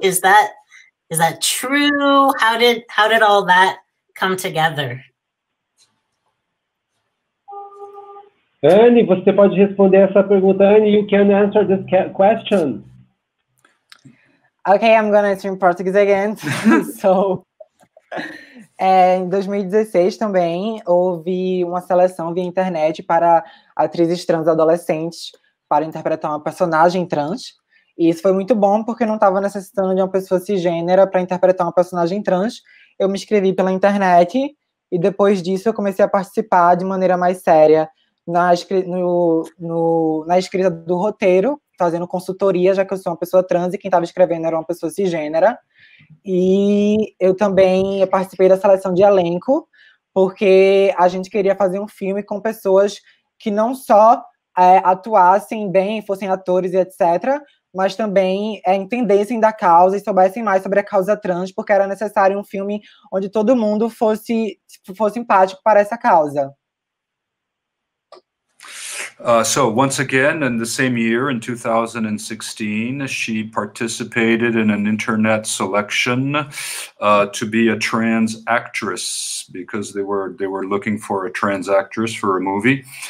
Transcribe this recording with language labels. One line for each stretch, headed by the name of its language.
English: Is that true? How did all that come together?
Portuguese: Anne, você pode responder essa pergunta. Anne,
English: you can answer this question. Okay, I'm going to answer in Portuguese again. So...
Portuguese: É, em 2016 também houve uma seleção via internet para atrizes trans adolescentes para interpretar uma personagem trans. E isso foi muito bom porque não estava necessitando de uma pessoa cisgênera para interpretar uma personagem trans. Eu me inscrevi pela internet e depois disso eu comecei a participar de maneira mais séria na escrita do roteiro, fazendo consultoria, já que eu sou uma pessoa trans e quem estava escrevendo era uma pessoa cisgênera. E eu também participei da seleção de elenco, porque a gente queria fazer um filme com pessoas que não só atuassem bem, fossem atores e etc., mas também entendessem da causa e soubessem mais sobre a causa trans, porque era necessário um filme onde todo mundo fosse empático para essa causa.
English: So once again, in the same year, in 2016, she participated in an internet selection to be a trans actress, because they were looking for a trans actress for a movie.